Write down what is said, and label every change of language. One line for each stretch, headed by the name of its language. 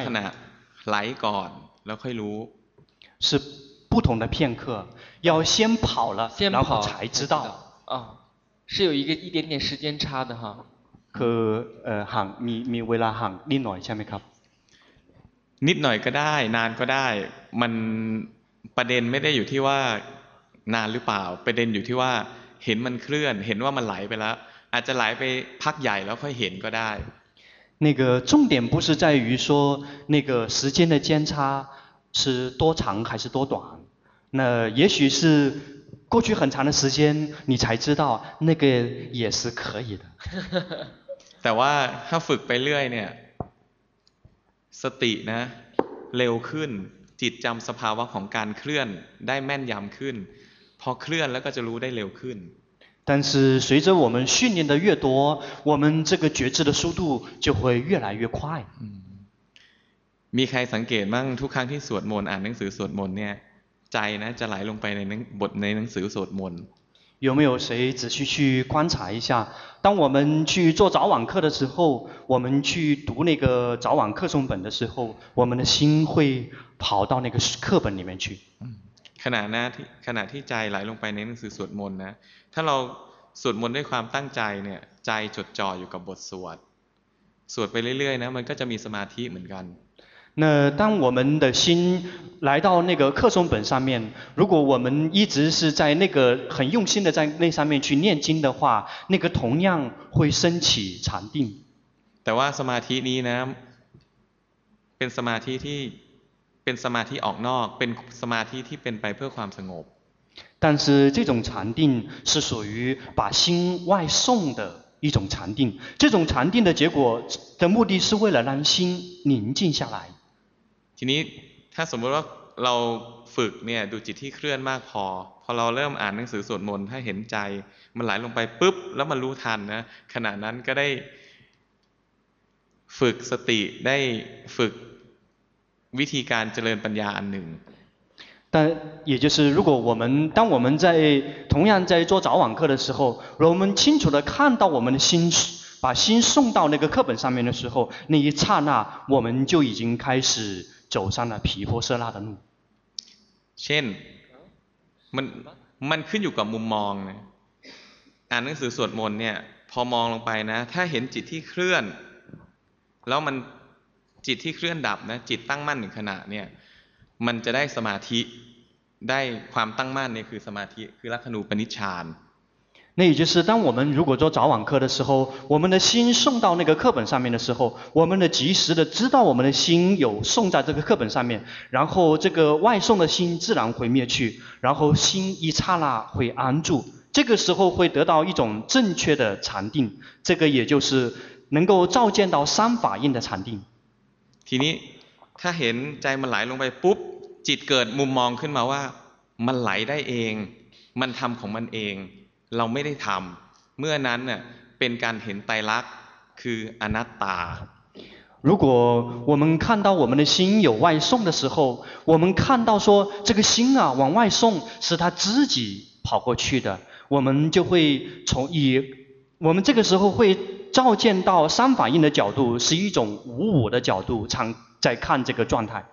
Thai: คนละขณะไหลก่อนแล้วค่อยรู้
Chinese: 是不同的片刻要先跑了先跑然后才知道啊、哦、是有一个一点点时间差的哈
Thai: คือห่างมีเวลาห่างนิดหน่อยใช่ไหมครับ นิดหน่อยก็ได้นานก็ได้มันประเด็นไม่ได้อยู่ที่ว่านานหรือเปล่าประเด็นอยู่ที่ว่าเห็นมันเคลื่อนเห็นว่ามันไหลไปแล้วอาจจะไหลไปพักใหญ่แล้วค่อยเห็นก็ได้
Chinese: 那个重点不是在于说那个时间的间差是多长还是多短那也许是过去很长的时间你才知道那个也是可以的
Thai: แต่ว่าถ้าฝึกไปเรื่อยเนี่ยสตินะเร็วขึ้นจิตจำสภาวะของการเคลื่อนได้แม่นยำขึ้นพอเคลื่อนแล้วก็จะรู้ได้เร็วขึ้น
Chinese: 但是随着我们训练的越多我们这个觉知的速度就会越来越快
Thai: มีใครสังเกตมั่งทุกครั้งที่สวดมนต์อ่านหนังสือสวดมนต์เนี่ยใจนะจะไหลลงไปในบทในหนังสือสวดมนต์
Chinese: 有没有谁仔细去观察一下当我们去做早晚课的时候我们去读那个早晚课诵本的时候我们的心会跑到那个课本里面去
Thai: ขณะนะขณะที่ใจไหลลงไปในหนังสือสวดมนต์นะถ้าเราสวดมนต์ด้วยความตั้งใจเนี่ยใจจดจ่ออยู่กับบทสวดสวดไปเรื่อยๆนะมันก็จะมีสมาธิเหมือนกัน
Chinese: 那当我们的心来到那个课诵本上面如果我们一直是在那个很用心的在那上面去念经的话那个同样会升起禅定
Thai: แต่ว่าสมาธินี้นะเป็นสมาธิที่เป็นสมาธิออกนอกเป็นสมาธิที่เป็นไปเพื่อความสงบ
Chinese: 但是这种禅定是属于把心外送的一种禅定这种禅定的结果的目的是为了让心宁静下来
Thai: ทีนี้ถ้าสมมติว่าเราฝึกเนี่ยดูจิตที่เคลื่อนมากพอเราเริ่มอ่านหนังสือสวดมนต์ถ้าเห็นใจมันไหลลงไปปุ๊บแล้วมันรู้ทันนะขณะนั้นก็ได้ฝึกสติได้ฝึกวิธีการเจริญปัญญาอันหนึ่ง
Chinese: 但也就是如果我们当我们在同样在做早晚课的时候我们清楚地看到我们的心把心送到那个课本上面的时候那一刹那我们就已经开始走上了毗婆舍那的路
Thai: เช่นมันขึ้นอยู่กับมุมมองนะอ่านหนังสือสวดมนต์เนี่ยพอมองลงไปนะถ้าเห็นจิตที่เคลื่อนแล้วมันจิตที่เคลื่อนดับนะจิตตั้งมั่นหนึ่งขณะเนี่ยมันจะได้สมาธิได้ความตั้งมั่นนี่คือสมาธิคือลัคนูปนิชฌาน
Chinese: 那也就是当我们如果做早晚课的时候我们的心送到那个课本上面的时候我们的及时的知道我们的心有送在这个课本上面然后这个外送的心自然会灭去然后心一刹那会安住这个时候会得到一种正确的禅定这个也就是能够照见到三法印的禅定
Thai: ทีนี้ ถ้าเห็นใจมันไหลลงไปปุ๊บจิตเกิดมุมมองขึ้นมาว่ามันไหลได้เองมันทำของมันเองเราไม่ได้ทำเมื่อนั้นเนี่ยเป็นการเห็นไตรลักษณ์คืออนัตตา
Chinese: 如果我们看到我们的心有外送的时候，我们看到说这个心啊往外送是他自己跑过去的，我们就会从以我们这个时候会照见到三反应的角度是一种无我的角度常在看这个状态。